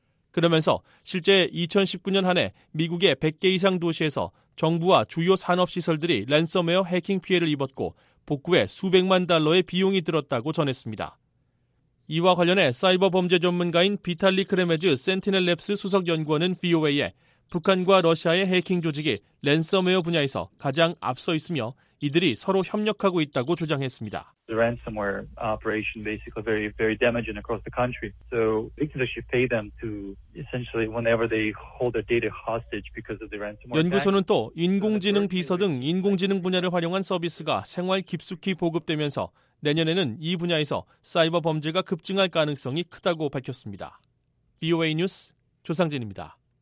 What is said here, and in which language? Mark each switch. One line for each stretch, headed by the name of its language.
Korean: 그러면서 실제 2019년 한 해 미국의 100개 이상 도시에서 정부와 주요 산업시설들이 랜섬웨어 해킹 피해를 입었고 복구에 수백만 달러의 비용이 들었다고 전했습니다. 이와 관련해 사이버 범죄 전문가인 비탈리 크레메즈 센티넬랩스 수석 연구원은 VOA에 북한과 러시아의 해킹 조직이 랜섬웨어 분야에서 가장 앞서 있으며 이들이 서로 협력하고 있다고 주장했습니다.
English: The ransomware operation basically very very damaging across the country. So victims actually pay them to essentially whenever they hold their data hostage because of the ransomware.
Korean: 연구소는 또 인공지능 비서 등 인공지능 분야를 활용한 서비스가 생활 깊숙이 보급되면서 내년에는 이 분야에서 사이버 범죄가 급증할 가능성이 크다고 밝혔습니다. VOA 뉴스 조상진입니다.